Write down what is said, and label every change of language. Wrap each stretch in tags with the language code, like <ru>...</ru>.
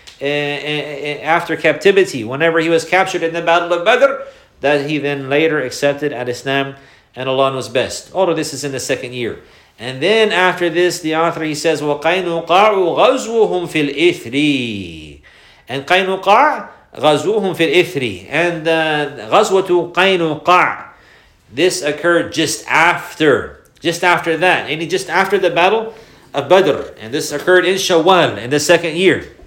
<en>Whenever he was captured in the Battle of Badr, that he then later accepted al-Islam, and Allah knows best. All of this is in the second year. And then after this, the author, he says,</en> <ar>وَقَيْنُقَعُ غَزُوهُمْ فِي الْإِثْرِ. And قَيْنُقَعُ غَزُوهُمْ فِي الْإِثْرِ.</ar> <en>And غَزْوَةُ قَيْنُقَعُ, this occurred just after the Battle of Badr. And this occurred in Shawwal, in the second year.</en>